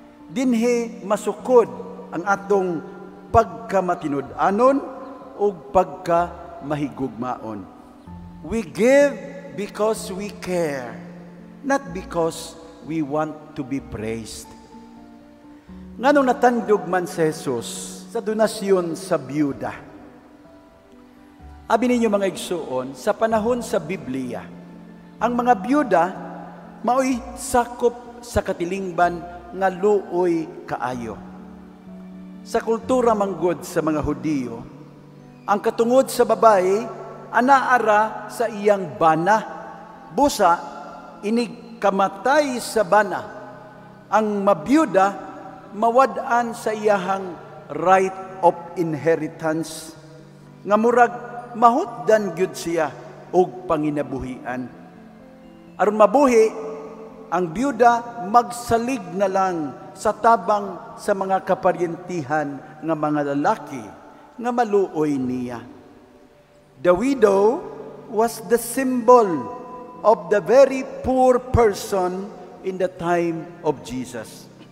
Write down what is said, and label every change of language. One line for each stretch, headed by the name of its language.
Cebuano: dinhi masukod ang atong pagkamatinud-anon o pagkamahigugmaon.
English: We give because we care, not because we want to be praised.
Cebuano: Nganong natandog man si Jesus sa donasyon sa byuda? Abi ninyo mga igsuon, sa panahon sa Biblia, ang mga byuda mao'y sakop sa katilingban nga luoy kaayo. Sa kultura manggod sa mga Hudiyo, ang katungod sa babae anaara sa iyang bana. Busa, inig kamatay sa bana. Ang mabyuda mawad-an sa iyahang
English: right of inheritance
Cebuano: nga murag mahutdan gyud siya og panginabuhian. Aron mabuhi, ang byuda magsalig na lang sa tabang sa mga kaparyentihan ng mga lalaki nga maluoy niya.
English: The widow was the symbol of the very poor person in the time of Jesus.